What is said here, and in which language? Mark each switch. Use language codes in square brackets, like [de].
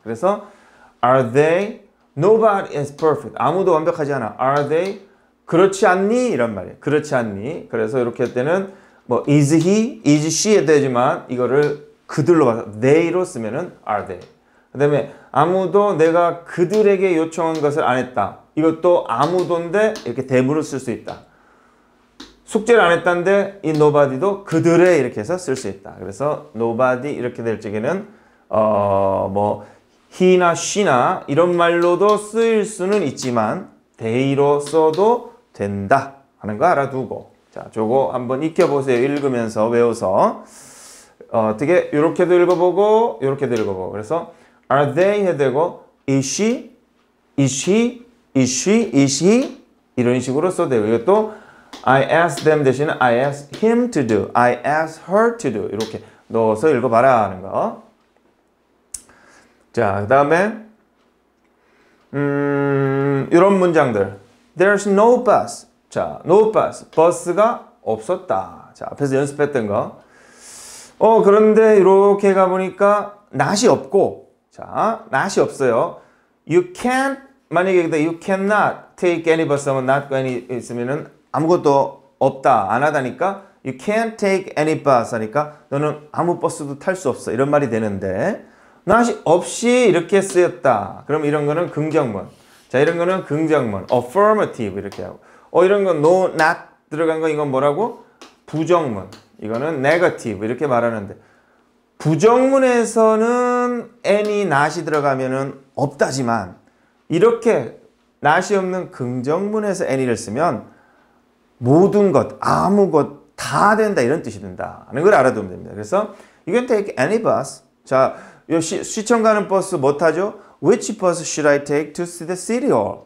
[ko] 그래서 [en] Are they? Nobody is perfect. [ko] 아무도 완벽하지 않아. [en] Are they? [ko] 그렇지 않니? 이런 말이에요. 그렇지 않니? 그래서 이렇게 할 때는 뭐 [en] is he, is she [ko] 에 되지만 이거를 그들로 봐서 they로 쓰면은 [en] are they. [ko] 그 다음에 아무도 내가 그들에게 요청한 것을 안 했다. 이것도 아무도인데 이렇게 them으로 쓸 수 있다. 숙제를 안 했다는데 이 nobody도 그들의 이렇게 해서 쓸 수 있다. 그래서 nobody 이렇게 될 적에는 뭐 he나 she나 이런 말로도 쓰일 수는 있지만 they로 써도 된다 하는 거 알아두고 자 저거 한번 익혀보세요. 읽으면서 외워서 어떻게 이렇게도 읽어보고 이렇게도 읽어보고 그래서 [en] are they [ko] 해야 되고 [en] is she, is he, is she, is he [ko] 이런 식으로 써도 되고 이것도 [en] I asked them [ko] 대신 [en] I asked him to do, [ko] I asked her to do 이렇게 넣어서 읽어봐라 하는 거. 자, 그 다음에 이런 문장들 [en] There's no bus. [ko] 자, no bus. 버스가 없었다. 자, 앞에서 연습했던 거. 그런데 이렇게 가보니까 낫이 없고 자, 낫이 없어요. [en] You can't, [ko] 만약에 [en] you cannot take any bus [ko] 하면 [en] not going [ko] 있으면은 아무것도 없다. 안 하다니까 [en] You can't take any bus [ko] 하니까 너는 아무 버스도 탈 수 없어. 이런 말이 되는데 낫이 없이 이렇게 쓰였다. 그럼 이런 거는 긍정문. 자, 이런 거는 긍정문. affirmative 이렇게 하고. 이런 건 no, not 들어간 거 이건 뭐라고? 부정문. 이거는 negative 이렇게 말하는데 부정문에서는 any, not이 들어가면은 없다지만 이렇게 not이 없는 긍정문에서 any를 쓰면 모든 것, 아무 것 다 된다 이런 뜻이 된다 하는 걸 알아두면 됩니다. [en] 그래서 you can take any bus. [ko] 자, 시청 가는 버스 못 타죠? [en] Which bus should I take to see the city hall?